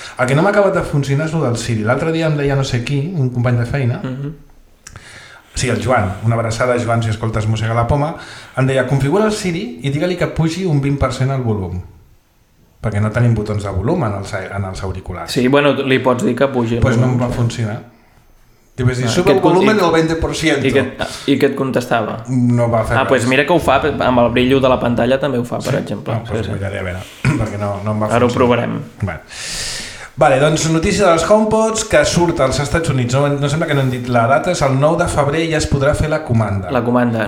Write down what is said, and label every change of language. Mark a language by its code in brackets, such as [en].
[ca] El que no m'ha acabat de funcionar és el del Siri. L'altre dia em deia no sé qui, un company de feina, sí, el Joan, una abraçada, Joan, si escoltes Mossega la Poma, em deia, configura el Siri i digue-li que pugi un 20% el volum. Perquè no tenim botons de volum en els auriculars. Sí, bueno, li pots dir que pugi. Doncs pues no em va funcionar. I vas dir, [es] sube el volumen al 20%. [ca] I què et contestava? No va fer res. Pues mira que ho fa, amb el brillo de la pantalla també ho fa, sí? Per exemple. Miraré a veure, perquè no em va fer. Ara ho provarem. Bueno. Vale, doncs notícia dels HomePods que surt als Estats Units. No sembla que no hem dit la data, és el 9 de febrer i ja es podrà fer la comanda. La comanda.